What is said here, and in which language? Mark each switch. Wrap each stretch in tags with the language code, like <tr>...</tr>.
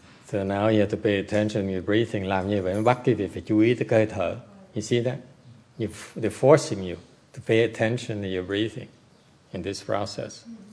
<en>So now you have to pay attention to your breathing.</en> <vi>Làm như vậy, bắt cái việc phải chú ý tới hơi thở.</vi> <en>You see that? They're forcing you to pay attention to your breathing in this process.</en>